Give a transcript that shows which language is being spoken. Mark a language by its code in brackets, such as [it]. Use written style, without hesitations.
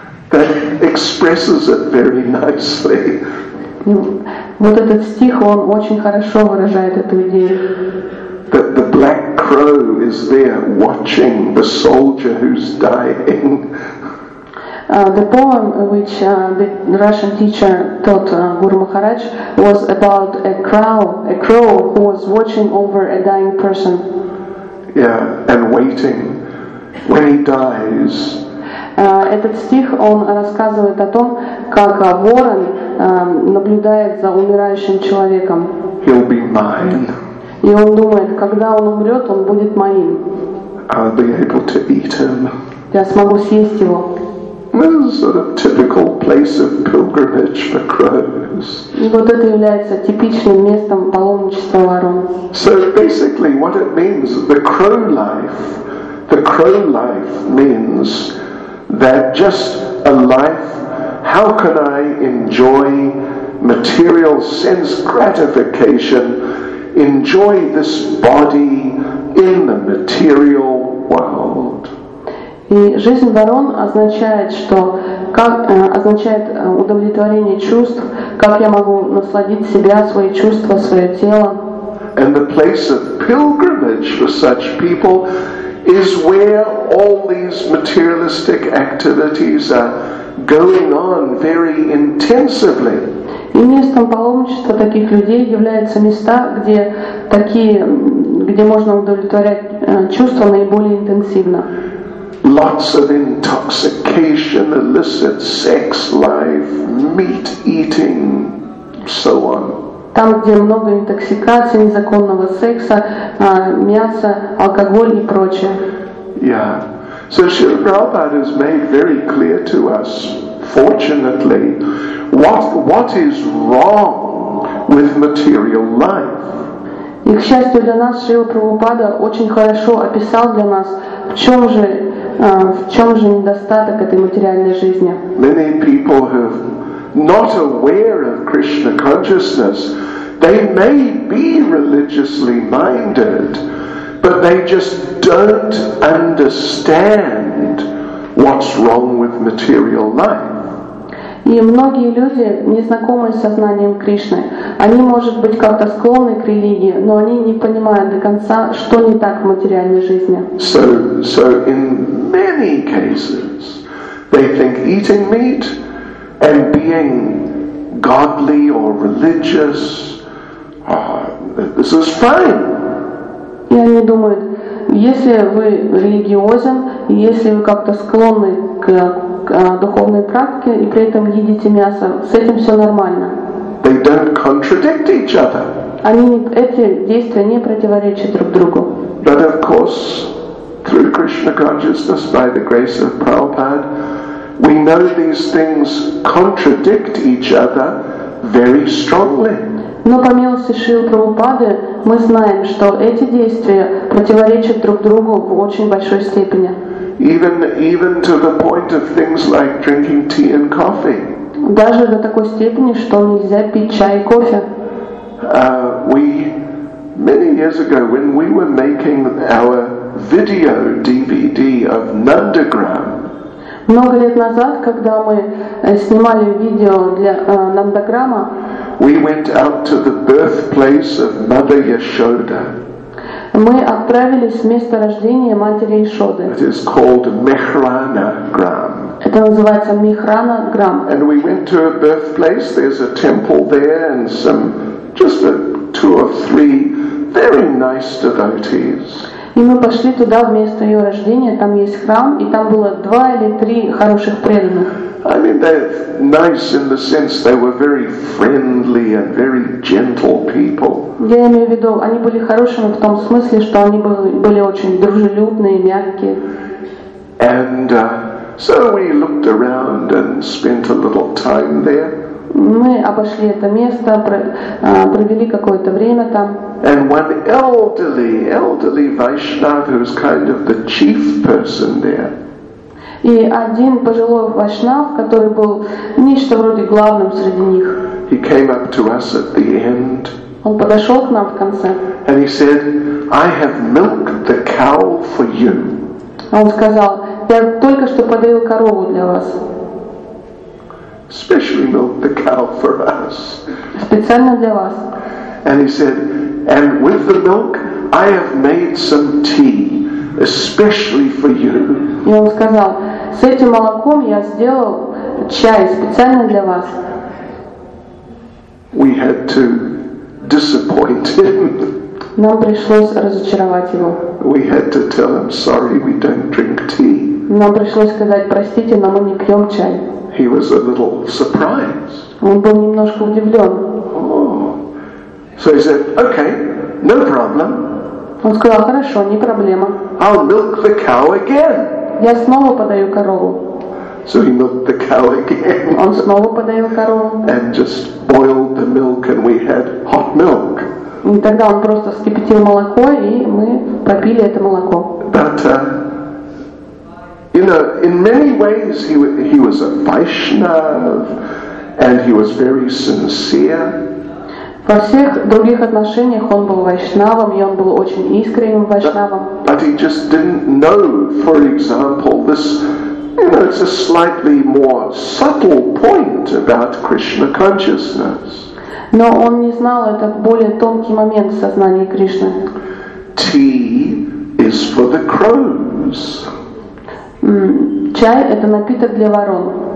[en] That expresses it very nicely. [ru] Вот этот стих, он очень хорошо выражает эту идею. [en] That the black crow is there watching the soldier who's dying. The poem which the Russian teacher taught Guru Maharaj was about a crow who was watching over a dying person. Yeah, and waiting when he dies. [ru] Этот стих, он рассказывает о том, как ворон наблюдает за умирающим человеком. [en] He'll be mine. [ru] И он думает, когда он умрет, он будет моим. [en] I'll be able to eat him. [ru] Я смогу съесть его. [en] This is sort of typical place of pilgrimage for crows. [ru] Вот это является типичным местом паломничества ворон. [en] So basically, what it means, the crow life means that just a life. How can I enjoy material sense gratification? Enjoy this body in the material world. [ru] И жизнь ворон означает, что как, означает удовлетворение чувств, как я могу насладить себя, свои чувства, свое тело. [en] And the place of pilgrimage for such people is where all these materialistic activities are going on very intensively. [ru] И местом паломничества таких людей являются места, где можно удовлетворять чувства наиболее интенсивно. [en] Lots of intoxication, illicit sex life, meat eating, so on. [ru] Там, где много интоксикации, незаконного секса, мяса, алкоголь и прочее. Yeah. [en] So Srila Prabhupada has made very clear to us, fortunately, what is wrong with material life. [ru] И, к счастью для нас, Шрила Прабхупада очень хорошо описал для нас, в чем же недостаток этой материальной жизни. [en] Many people who are not aware of Krishna consciousness, they may be religiously minded, but they just don't understand what's wrong with material life. [ru] И многие люди, незнакомые с сознанием Кришны, они, может быть, как-то склонны к религии, но они не понимают до конца, что не так в материальной жизни. [en] So in many cases, they think eating meat and being godly or religious, this is fine. [ru] И они думают, если вы религиозен, если вы как-то склонны к духовной практике и при этом едите мясо, с этим все нормально. [en] They don't contradict each other. [ru] Эти действия не противоречат друг другу. [en] But of course, through Krishna consciousness, by the grace of Prabhupada, we know these things contradict each other very strongly. [ru] Но по милости Шрилы Прабхупады мы знаем, что эти действия противоречат друг другу в очень большой степени. [en] Even to the point of things like drinking tea and coffee. [ru] Даже до такой степени, что нельзя пить чай и кофе. [en] Many years ago, when we were making our video DVD of Nandagram. [ru] Много лет назад, когда мы снимали видео для Нандаграма. [en] We went out to the birthplace of Mother Yashoda. [ru] Мы отправились в место рождения матери Ишоды. [en] It is called Mehranagram. [ru] Это называется Mehranagram. [en] And we went to a birthplace. There's a temple there and some, just a two or three very nice devotees. [ru] И мы пошли туда в место ее рождения. Там есть храм, и там было два или три хороших преданных. [en] I mean, they're nice in the sense they were very friendly and very gentle people. [ru] Я имею в виду, они были хорошими в том смысле, что они были очень дружелюбные, мягкие. [en] And so we looked around and spent a little time there. [ru] Мы обошли это место, провели какое-то время там. [en] And one elderly Vaishnava, who was kind of the chief person there. [ru] И один пожилой вайшнав, который был нечто вроде главным среди них. [en] He came up to us at the end. [ru] Он подошел к нам в конце. [en] And he said, "I have milked the cow for you." [ru] Он сказал, "Я только что подоил корову для вас." [en] Specially milked the cow for us. [ru] Специально для вас. [en] And he said, "And with the milk, I have made some tea, especially for you." [ru] И он сказал, с этим молоком я сделал чай специально для вас. [en] We had to disappoint him. [ru] Нам пришлось разочаровать его. [en] We had to tell him, sorry, we don't drink tea. [ru] Нам пришлось сказать, простите, но мы не пьем чай. [en] He was a little surprised. [ru] Он был немножко удивлен. Oh. [en] So he said, okay, no problem. [ru] Он сказал, хорошо, не проблема. [en] I'll milk the cow again. [ru] Я снова подаю корову. [en] So he milked the cow again. [ru] Он снова подаил корову. [en] And just boiled the milk, and we had hot milk. [ru] И тогда он просто вскипятил молоко, и мы попили это молоко. [en] But you know, in many ways he was a Vaishnav, and he was very sincere. [ru] Во всех других отношениях он был вайшнавом, и он был очень искренним вайшнавом. [en] But he just didn't know, for example, this, you know, it's a slightly more subtle point about Krishna consciousness. [ru] Но он не знал этот более тонкий момент в сознании Кришны. [en] Tea is for the crows. [ru] Чай — это напиток для ворон.